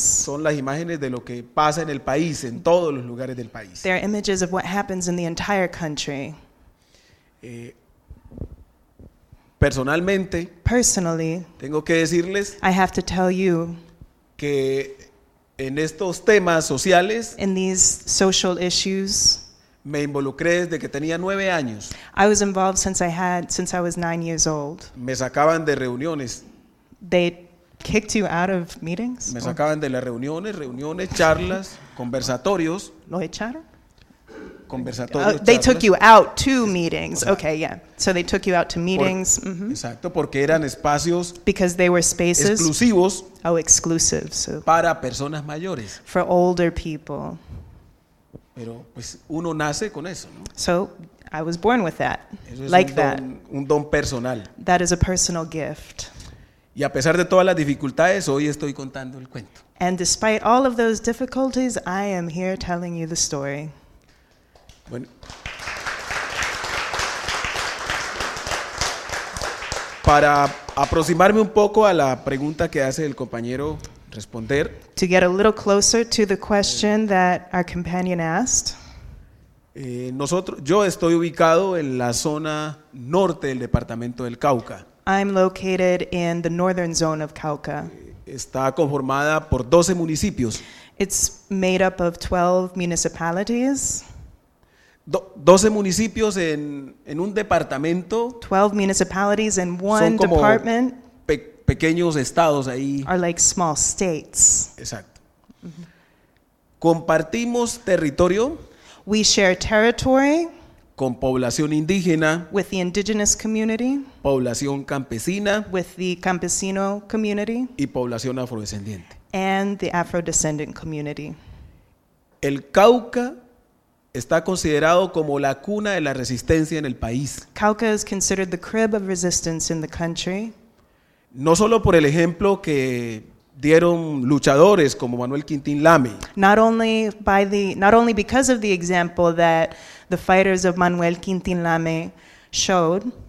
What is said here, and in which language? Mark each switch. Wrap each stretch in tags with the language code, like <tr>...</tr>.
<es>Son las imágenes de lo que pasa en el país, en todos los lugares del país.</es> <en>They're images of what happens in the entire country.</en> <es>Personalmente.</es> <en>Personally.</en> <es>Tengo que decirles.</es> <en>I have to tell you.</en> <es>Que. En estos temas sociales.</es> <en>In these social issues.</en> <es>Me involucré desde que tenía 9 años.</es> <en>I was involved since I was 9 years old.</en> <es>Me sacaban de reuniones.</es> <en>They kicked you out of meetings.</en> <es>Me sacaban de las reuniones, charlas, conversatorios. ¿Lo echaron? Conversatorios.</es> <en>They took you out to meetings.</en> <es>O sea,</es> <en>okay, yeah. So they took you out to meetings.</en> <es>Exacto, porque eran espacios.</es> <en>Because they were spaces.</en> <es>Exclusivos.</es> <en>Oh, exclusive. So.</en> <es>Para personas mayores.</es> <en>For older people.</en> <es>Pero pues uno nace con eso, ¿no?</es> <en>So I was born with that.</en> <es>Eso es</es> <en>like</en> <es>un don,</es> <en>that.</en> <es>Un don personal.</es> <en>That is a personal gift.</en> <es>Y a pesar de todas las dificultades, hoy estoy contando el cuento.</es> <en>And despite all of those difficulties, I am here telling you the story.</en> <es>Bueno. Para aproximarme un poco a la pregunta que hace el compañero responder.</es> <en>To get a little closer to the question that our companion asked.</en> <es>Yo estoy ubicado en la zona norte del departamento del Cauca.</es> <en>I'm located in the northern zone of Cauca.</en> <es>Está conformada por 12 municipios.</es> <en>It's made up of 12 municipalities.</en> <es>12 municipios en un departamento.</es> <en>12 municipalities in one</en> <es>son como</es> <en>department.</en> <es>Pequeños estados ahí.</es> <en>Are like small states.</en> <es>Exacto. Compartimos territorio.</es> <en>We share territory.</en> <es>Con población indígena.</es> <en>With the indigenous community.</en> <es>Población campesina.</es> <en>With the campesino community.</en> <es>Y población afrodescendiente.</es> <en>and the Afro-descendant community.</en> <es>El Cauca está considerado como la cuna de la resistencia en el país.</es> <en>Cauca is considered the crib of resistance in the country.</en> <es>No solo por el ejemplo que dieron luchadores como Manuel Quintín Lame.</es> <en>Not only because of the example that the fighters of Manuel Quintín Lame showed.</en>